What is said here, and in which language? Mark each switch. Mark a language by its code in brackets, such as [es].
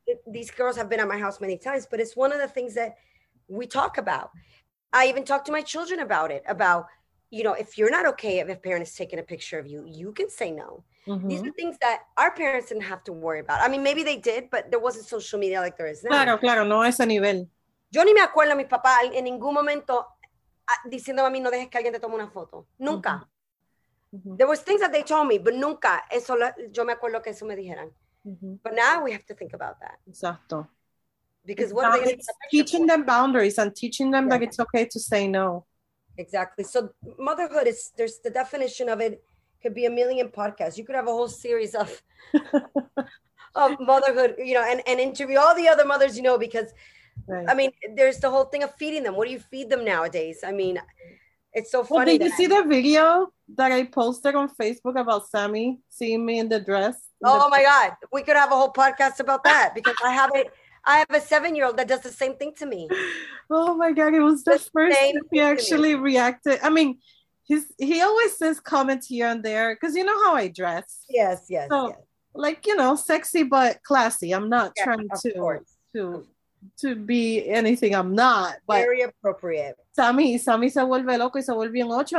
[en] These girls have been at my house many times, but it's one of the things that we talk about. I even talk to my children about it, about, you know, if you're not okay, if a parent is taking a picture of you, you can say no. Mm-hmm. These are things that our parents didn't have to worry about. I mean, maybe they did, but there wasn't social media like there is now. [es] Claro, claro, no a ese nivel. Yo ni me acuerdo a mi papá en ningún momento diciendo a mí, no dejes que alguien te tome una foto. Nunca. Mm-hmm. [en] There was things that they told me, but [es] nunca. Eso yo me acuerdo que eso me dijeran. Mm-hmm. [en] But now we have to think about that. [es] Exacto. [en] Because what are they going to do? Teaching them boundaries and teaching them that it's okay to say no. Exactly. So motherhood is, there's the definition of it. Could be a million podcasts. You could have a whole series of of motherhood, you know, and interview all the other mothers, you know, because, right. I mean, there's the whole thing of feeding them. What do you feed them nowadays? I mean, it's so funny. Well, did you see the video that I posted on Facebook about Sammy seeing me in the dress? Oh my God. We could have a whole podcast about that because I have a 7-year-old that does the same thing to me. Oh my God. It was the first time he actually reacted. I mean, he always says comments here and there because you know how I dress. Yes. So, like, you know, sexy but classy. I'm not trying to be anything I'm not. But very appropriate. [es] Sammy se vuelve loco y se vuelve un ocho.